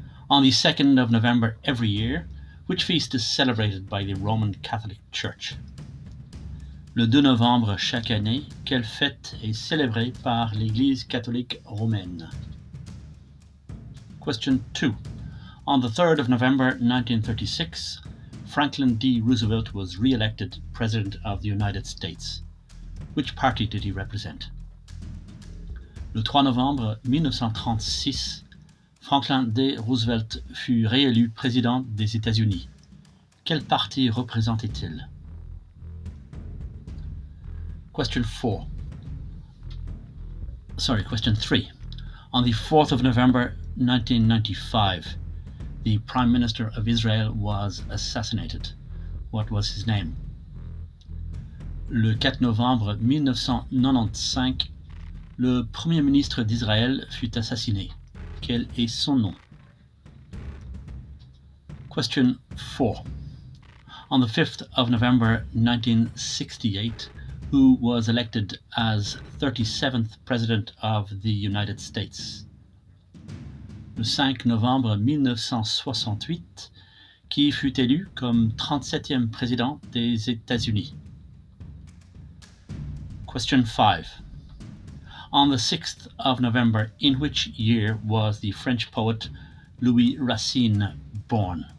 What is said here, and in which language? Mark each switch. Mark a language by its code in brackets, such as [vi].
[en] On the 2nd of November every year, which feast is celebrated by the Roman Catholic Church? [fr] Le 2 novembre chaque année, quelle fête est célébrée par l'Église catholique romaine? [en] Question 2. On the 3rd of November 1936, Franklin D. Roosevelt was re-elected President of the United States. Which party did he represent? [fr] Le 3 novembre 1936, Franklin D. Roosevelt fut réélu président des États-Unis. Quel parti représentait-il? [en] Question 3. On the 4th of November 1995, the Prime Minister of Israel was assassinated. What was his name? [fr] Le 4 novembre 1995, le Premier ministre d'Israël fut assassiné. Quel est son nom? [en] Question 4. On the 5th of November 1968, who was elected as 37th President of the United States? [fr] Le 5 novembre 1968, qui fut élu comme 37e Président des États-Unis? [en] Question 5. On the 6th of November, in which year was the French poet Louis Racine born?